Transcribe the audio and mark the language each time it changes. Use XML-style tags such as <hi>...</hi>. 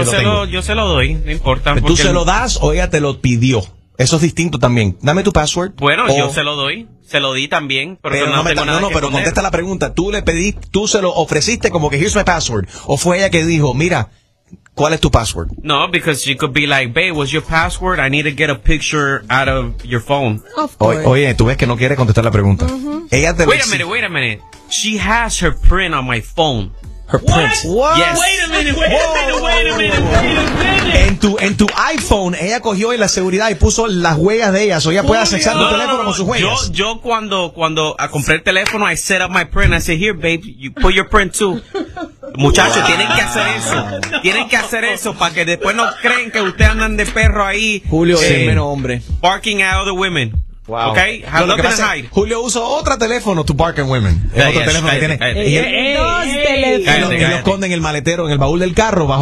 <es>No, yo se lo doy, no importa. ¿Tú se lo das o ella te lo pidió? Eso es distinto también. Dame tu password. Bueno, yo se lo doy. Se lo di también, pero no, tengo nada. Pero contesta la pregunta. ¿Tú le pediste, tú se lo ofreciste como que</es> <en>here's my password?</en> <es>¿O fue ella que dijo, mira, ¿cuál es tu password?</es> <en>No, because she could be like, babe, what's your password? I need to get a picture out of your phone.</en> <es>Oye, tú ves que no quiere contestar la pregunta. Uh-huh. Ella te lo</es> <en>Wait a minute. She has her print on my phone. Her print. What? Yes. Wait a minute.</en> <es>En tu iPhone, ella cogió la seguridad y puso las huellas de ella. O ella puede acceder tu teléfono con sus huellas. Yo cuando compré el teléfono,</es> <en>I set up my print. I said, here, babe, you put your print too.</en> <es>Muchachos, tienen que hacer eso. Tienen que hacer eso para que después no creen que ustedes andan de perro ahí. Julio es el menos hombre.</es> <en>Barking at other women. Wow. Okay? Have nothing to hide.</en> <es>Julio usa otro teléfono</es> <en>to bark at women.</en> <es>Dos teléfonos. Y lo esconden en el maletero, en el baúl del carro, bajo</es>